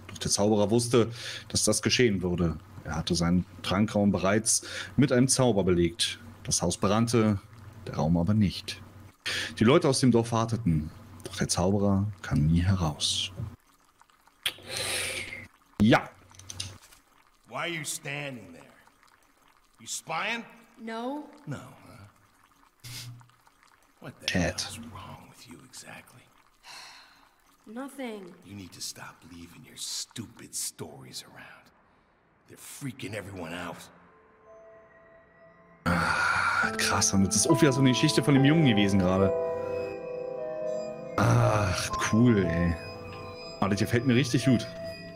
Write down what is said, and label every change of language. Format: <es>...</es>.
<de>Doch der Zauberer wusste, dass das geschehen würde. Er hatte seinen Trankraum bereits mit einem Zauber belegt. Das Haus brannte, der Raum aber nicht. Die Leute aus dem Dorf warteten, doch der Zauberer kam nie heraus. Ja.</de> <en>Why are you standing there? You spying? No. No. What the hell is wrong with you exactly? Nothing. You need to stop leaving your stupid stories around. They're freaking everyone out.</en> <de>Ah, krass, und das ist auch wieder so eine Geschichte von dem Jungen gewesen gerade. Ach, cool, ey. Aber das gefällt mir richtig gut.</de>